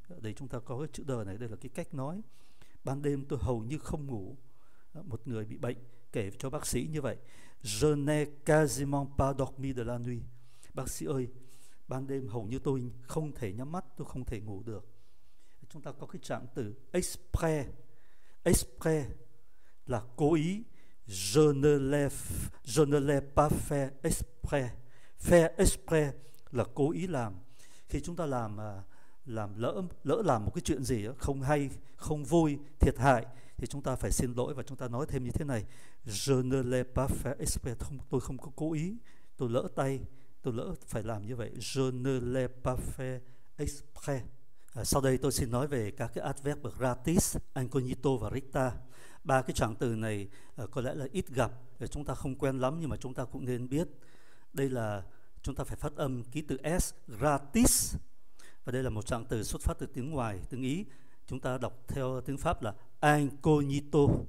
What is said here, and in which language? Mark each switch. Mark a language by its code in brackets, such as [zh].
[vi] Đây chúng ta có cái chữ đờ này, đây là cái cách nói. Ban đêm tôi hầu như không ngủ. Một người bị bệnh kể cho bác sĩ như vậy, [fr] je n'ai quasiment pas dormi de la nuit. [vi] Bác sĩ ơi, ban đêm hầu như tôi không thể nhắm mắt, tôi không thể ngủ được. Chúng ta có cái trạng từ exprès. Exprès là cố ý. [fr] Je ne l'ai pas fait exprès. Faire exprès [vi] là cố ý làm. Khi chúng ta làm lỡ một cái chuyện gì không hay, không vui, thiệt hại thì chúng ta phải xin lỗi và chúng ta nói thêm như thế này: [fr] je ne l'ai pas fait exprès, [vi] tôi không có cố ý, tôi lỡ tay, tôi lỡ phải làm như vậy. [fr] Je ne l'ai pas fait exprès. [vi] Sau đây tôi xin nói về các cái adverb gratis, incognito và recta. Ba cái trạng từ này có lẽ là ít gặp, chúng ta không quen lắm nhưng mà chúng ta cũng nên biết. Đây là, chúng ta phải phát âm ký tự S, gratis. Và đây là một trạng từ xuất phát từ tiếng ngoài, tiếng Ý. Chúng ta đọc theo tiếng Pháp là incognito.